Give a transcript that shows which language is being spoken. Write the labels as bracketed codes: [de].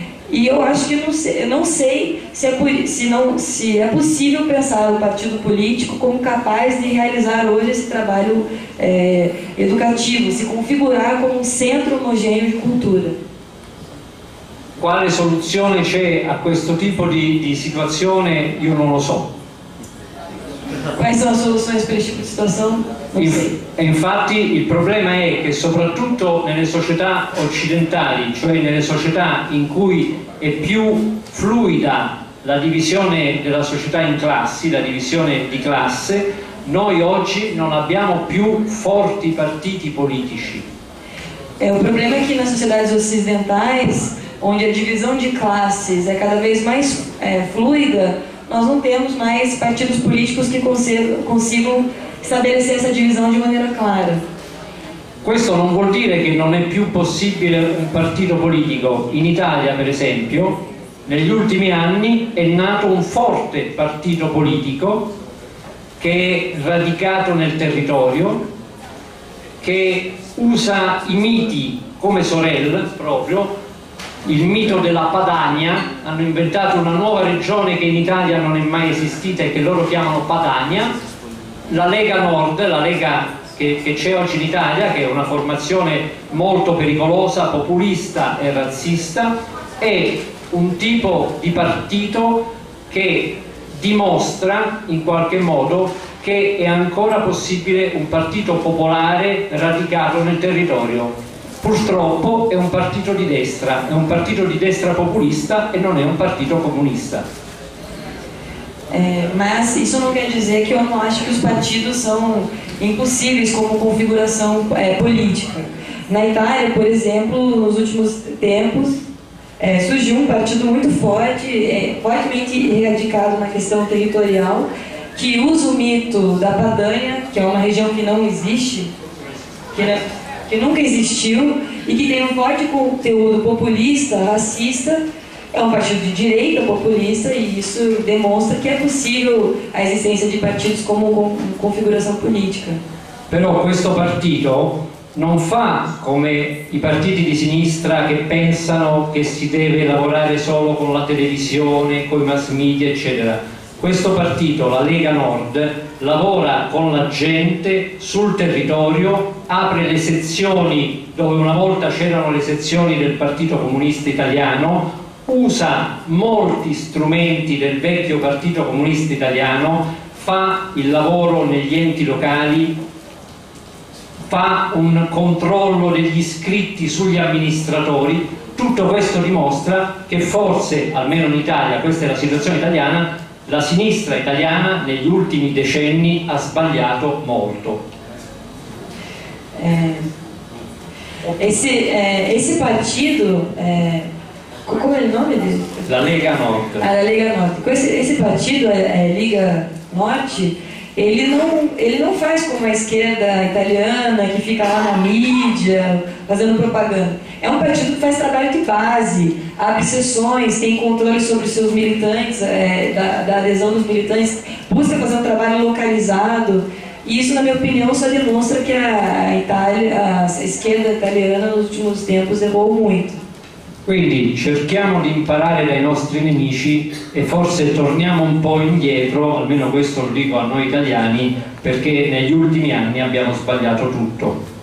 [pt] E eu acho que não sei se é possível pensar o partido político como capaz de realizar hoje esse trabalho educativo, se configurar como um centro homogêneo de cultura. Qual a solução [it] c'è a questo [pt] tipo de situação? Eu não [it] lo so. [pt] Quais são as soluções para esse tipo de situação? [it] Infatti il problema è che soprattutto nelle società occidentali, cioè nelle società in cui è più fluida la divisione della società in classi, la divisione di classe, noi oggi non abbiamo più forti partiti politici. Il problema è che nelle società occidentali, onde a divisione di classi è cada vez mais fluida, nós não temos mais partidos políticos que consigam estabelecer essa divisão de maneira clara. Questo non vuol dire che non è più possibile un partito politico. In Italia, per esempio, negli ultimi anni è nato un forte partito politico che è radicato nel territorio, che usa i miti come Sorel, proprio il mito della Padania. Hanno inventato una nuova regione che in Italia non è mai esistita e che loro chiamano Padania. La Lega Nord, la Lega che c'è oggi in Italia, che è una formazione molto pericolosa, populista e razzista, è un tipo di partito che dimostra in qualche modo che è ancora possibile un partito popolare radicato nel territorio. Purtroppo è un partito di destra, è un partito di destra populista e non è un partito comunista. [pt] Mas isso não quer dizer que eu não acho que os partidos são impossíveis como configuração política. Na Itália, por exemplo, nos últimos tempos, surgiu um partido muito forte, fortemente radicado na questão territorial, que usa o mito da Padania, que é uma região que não existe, que nunca existiu, e que tem um forte conteúdo populista, racista. É um partido de direita populista e isso demonstra que é possível a existência de partidos como configuração política. [it] Però questo partito non fa come i partiti di sinistra che pensano che si deve lavorare solo con la televisione, con i mass media, eccetera. Questo partito, la Lega Nord, lavora con la gente sul territorio, apre le sezioni dove una volta c'erano le sezioni del Partito Comunista Italiano, usa molti strumenti del vecchio Partito Comunista Italiano, fa il lavoro negli enti locali, fa un controllo degli iscritti sugli amministratori. Tutto questo dimostra che forse, almeno in Italia, questa è la situazione italiana, la sinistra italiana negli ultimi decenni ha sbagliato molto. [pt] Esse partito como é o nome dele? [it] La Lega Norte. La Lega Norte. [pt] Esse partido, Liga Norte, ele não faz como a esquerda italiana, que fica lá na mídia, fazendo propaganda. É um partido que faz trabalho de base, abre sessões, tem controle sobre seus militantes, da adesão dos militantes, busca fazer um trabalho localizado. E isso, na minha opinião, só demonstra que a esquerda italiana, nos últimos tempos, errou muito. [it] Quindi cerchiamo di imparare dai nostri nemici e forse torniamo un po' indietro, almeno questo lo dico a noi italiani, perché negli ultimi anni abbiamo sbagliato tutto.